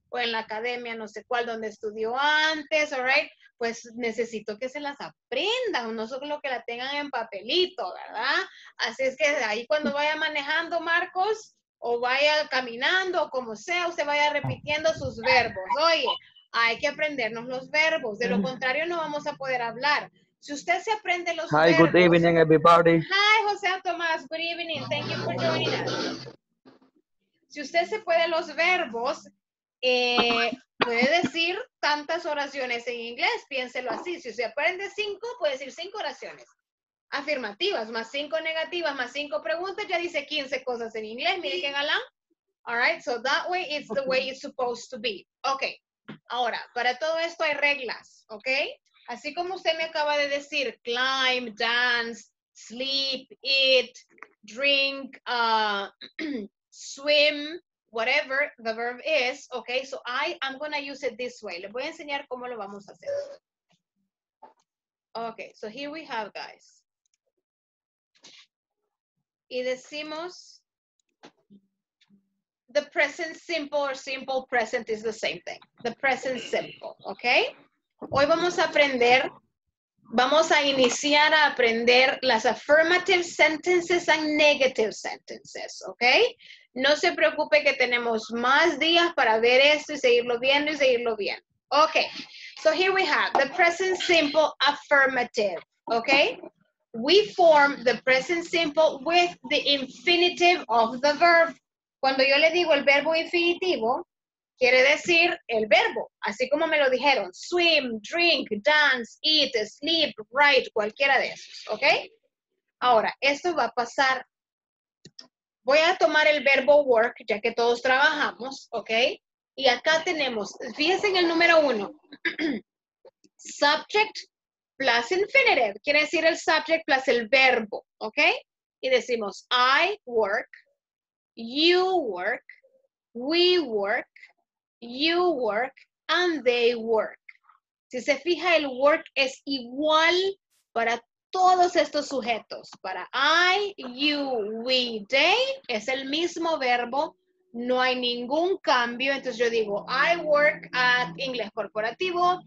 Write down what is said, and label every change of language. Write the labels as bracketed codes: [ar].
[es] o en la academia, no sé cuál, donde estudió antes, [en] all right, [es] pues necesito que se las aprenda, no solo que la tengan en papelito, ¿verdad? Así es que ahí cuando vaya manejando, Marcos, o vaya caminando, o como sea, usted vaya repitiendo sus verbos. Oye, hay que aprendernos los verbos, de lo contrario no vamos a poder hablar. Si usted se aprende los [en] verbos... Hi, good evening, everybody. Hi, José Tomás, good evening, thank you for joining us. [es] Si usted se puede los verbos, puede decir tantas oraciones en inglés, piénselo así. Si usted aprende cinco, puede decir cinco oraciones afirmativas, más cinco negativas, más cinco preguntas, ya dice 15 cosas en inglés, mire qué galán. [en] All right, so that way it's the way it's supposed to be. [es] Ok, ahora, para todo esto hay reglas, ok. Así como usted me acaba de decir, [en] climb, dance, sleep, eat, drink, swim, whatever the verb is, okay? So I'm gonna use it this way. [es] Le voy a enseñar cómo lo vamos a hacer. [en] Okay, so here we have, guys. [es] Y decimos, [en] the present simple or simple present is the same thing. The present simple, okay? [es] Hoy vamos a aprender, vamos a iniciar a aprender las affirmative sentences and negative sentences, ¿ok? No se preocupe que tenemos más días para ver esto y seguirlo viendo y seguirlo bien. [en] Ok, so here we have the present simple affirmative, ¿ok? We form the present simple with the infinitive of the verb. [es] Cuando yo le digo el verbo infinitivo, quiere decir el verbo, así como me lo dijeron. Swim, drink, dance, eat, sleep, write, cualquiera de esos, ¿ok? Ahora, esto va a pasar. Voy a tomar el verbo work, ya que todos trabajamos, ¿ok? Y acá tenemos, fíjense en el número uno. Subject plus infinitive. Quiere decir el subject plus el verbo, ¿ok? [en] Y decimos, I work, you work, we work. You work and they work. [es] Si se fija, el work es igual para todos estos sujetos. Para I, you, we, they, es el mismo verbo. No hay ningún cambio. Entonces yo digo, [en] I work at Inglés Corporativo.